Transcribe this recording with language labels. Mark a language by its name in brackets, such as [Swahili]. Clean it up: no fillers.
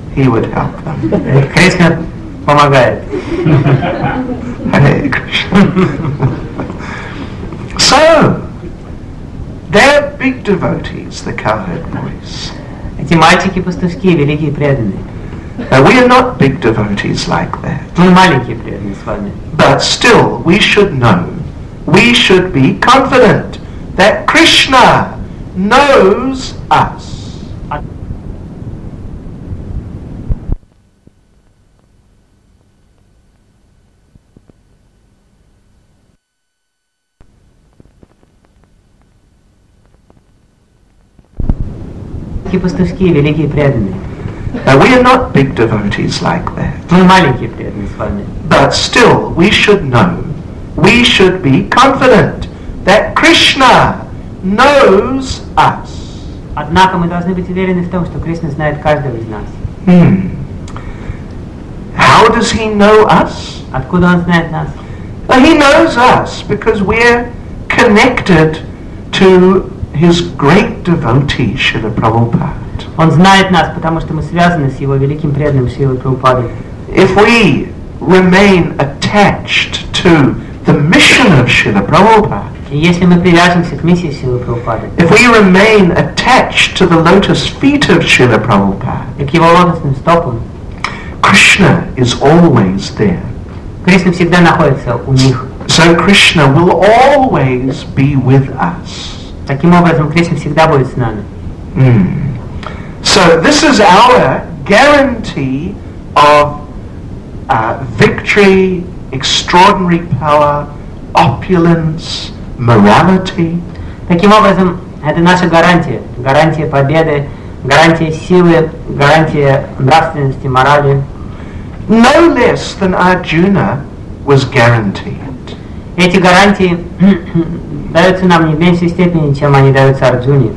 [English] He would help them. [Russian] Кришна помогает. [English] Hare Krishna. So, they're big devotees, the cowherd boys. [Russian] Эти мальчики и пастушки, великие преданные. [English] Now, we are not big devotees like that. [Russian] Мы маленькие преданные с вами. [English] But still, we should know, we should be confident that Krishna knows us. [Russian] Маленькие пастушки, великие преданные. [English] Now, we are not big devotees like that. [Russian] Мы маленькие преданные с вами. [English] But still, we should know, we should be confident that Krishna knows us. [Russian] Однако мы должны быть уверены в том, что Кришна знает каждого из нас. [English] How does he know us? [Russian] Откуда он знает нас? [English] Well, he knows us because we're connected to his great devotee, Śrīla Prabhupāda. [Russian] Он знает нас, потому что мы связаны с его великим преданным Шрилой Прабхупадой. [English] If we remain attached to the mission of Śrīla Prabhupāda, [Russian] если мы привяжемся к миссии Шрилы Прабхупады, [English] if we remain attached to the lotus feet of Śrīla Prabhupāda, [Russian] к его лотосным стопам, [English] Krishna is always there. [Russian] Кришна всегда находится у них. [English] So Krishna will always be with us. [Russian] Таким образом, Кришна всегда будет с нами. [English] So this is our guarantee of victory, extraordinary power, opulence, morality. [Russian] Таким образом, это наша гарантия. Гарантия победы, гарантия силы, гарантия нравственности, морали. [English] No less than Arjuna was guaranteed. [Russian] Эти гарантии даются нам не в меньшей степени, чем они даются Арджуне.